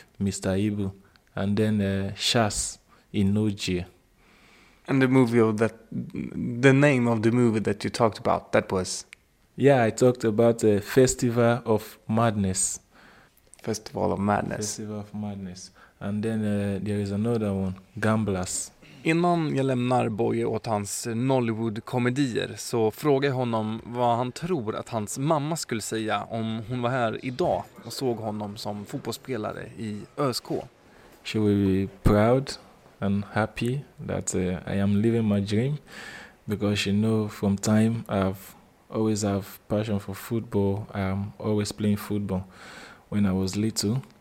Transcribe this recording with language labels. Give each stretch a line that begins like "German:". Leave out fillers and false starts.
English: Mr. Ibu. And then Shaz Inoje. And the movie of that, the name of the movie that you talked about, that was? Yeah, I talked about Festival of Madness. Festival of Madness. Festival of Madness. And then there is another one, Gamblers.
Swedish: Innan jag lämnar Boye åt hans Nollywood-komedier så frågar jag honom vad han tror att hans mamma skulle säga om hon var här idag och såg honom som fotbollsspelare i ÖSK.
English: She will be proud and happy that I am living my dream, because she know from time I've always have passion for football. I'm always playing football when I was little.